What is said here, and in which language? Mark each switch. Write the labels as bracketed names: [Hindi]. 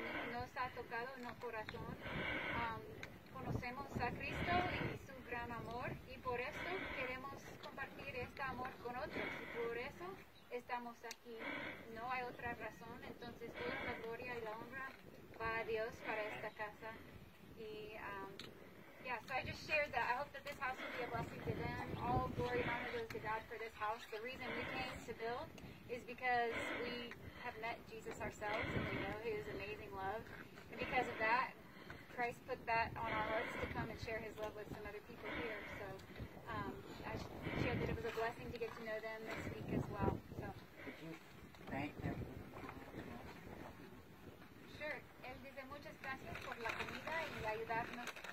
[Spanish] Nos ha tocado en el corazón. Conocemos a Cristo y su gran amor, y por eso queremos compartir este amor con otros. Y por eso estamos aquí. No hay otra razón. Entonces, toda la gloria y la honra va a Dios para esta casa. [English] Y, so I just shared that I hope that this house will be a blessing to them. All glory and honor goes to God for this house. The reason we came to build is because we have met Jesus ourselves, and we know His amazing love. And because of that, Christ put that on our hearts to come and share His love with some other people here. So I shared that it was a blessing to get to know them this week as well. So thank you. Sure. [Spanish] Él dice muchas gracias por la comida y ayudarnos.